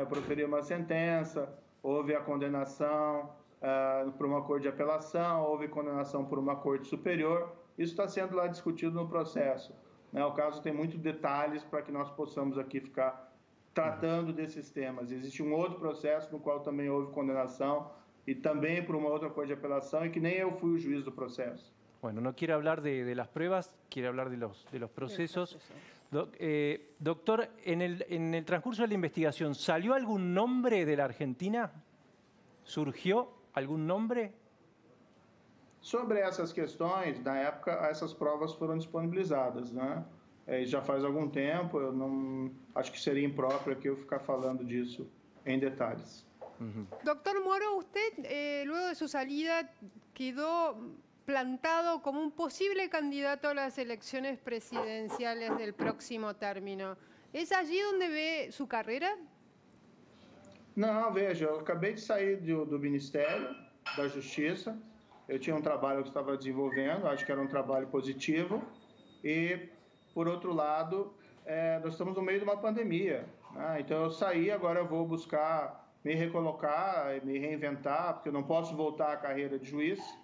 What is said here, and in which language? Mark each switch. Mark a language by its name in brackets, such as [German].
[Portuguese] Eu proferi uma sentença, houve a condenação por uma corte de apelação, houve condenação por uma corte superior. Isso está sendo lá discutido no processo, né? O caso tem muitos detalhes para que nós possamos aqui ficar tratando desses temas. Existe um outro processo no qual também houve condenação e também por uma outra corte de apelação e que nem eu fui o juiz do processo. [Spanish] Bueno, no quiere hablar de las pruebas, quiere hablar de los procesos. Doctor, en el transcurso de la investigación, ¿salió algún nombre de la Argentina? ¿Surgió algún nombre? Sobre esas cuestiones, [Portuguese] na época, [Spanish] esas pruebas fueron disponibilizadas, ¿no? Ya hace algún tiempo, yo no, [Portuguese] acho que [Spanish] sería impropio que yo ficar hablando de eso en detalles. Doctor Moro, usted, luego de su salida, quedó plantado como un posible candidato a las elecciones presidenciales del próximo término. ¿Es allí donde ve su carrera? [Portuguese] No, veja, yo acabei de sair do Ministerio da Justiça. Eu tinha um trabalho que estava desenvolvendo, acho que era um trabalho positivo. E, por outro lado, nós estamos no meio de uma pandemia, né? Então, eu saí, agora eu vou buscar me recolocar, me reinventar, porque eu não posso voltar à carreira de juiz.